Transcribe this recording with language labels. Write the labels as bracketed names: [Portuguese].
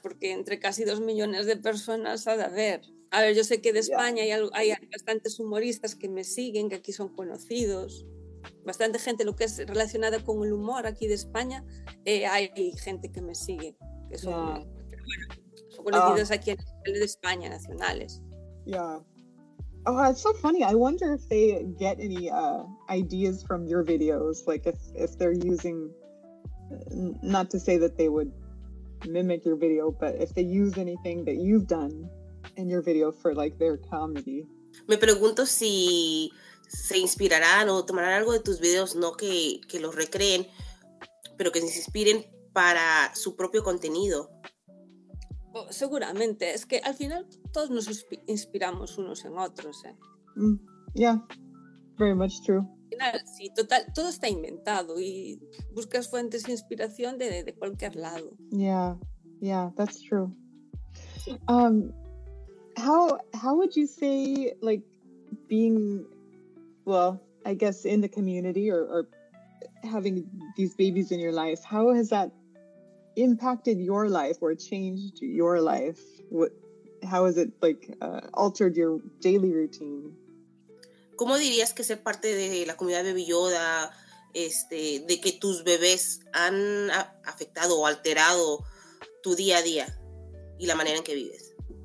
[Spanish] porque entre casi 2 millones de personas ha de haber. A ver, yo sé que de España hay bastantes humoristas que me siguen, que aquí son conocidos. Bastante gente, lo que es relacionada con el humor aquí de España, hay gente que me sigue, que son conocidos aquí en el de España, nacionales. [English] Yeah. Oh, it's so funny. I wonder if they get any ideas from your videos, like if they're using, not to say that they would mimic your video, but if they use anything that you've done in your video for like their comedy. [Spanish] Me pregunto si se inspirarán o tomarán algo de tus videos, no que los recreen, pero que se inspiren para su propio contenido. Seguramente, es que al final todos nos inspiramos unos en otros, ¿eh? [English] Yeah, very much true. [Spanish] Al final, sí, total, todo está inventado y buscas fuentes de inspiración de cualquier lado. [English] Yeah, that's true. How would you say, like, being, well, I guess in the community or having these babies in your life, how has that impacted your life or changed your life? How has it like altered your daily routine? [Spanish] ¿Cómo dirías que ser parte de la comunidad de Villoda, de que tus bebés han afectado o alterado tu día a día y la manera en que vives?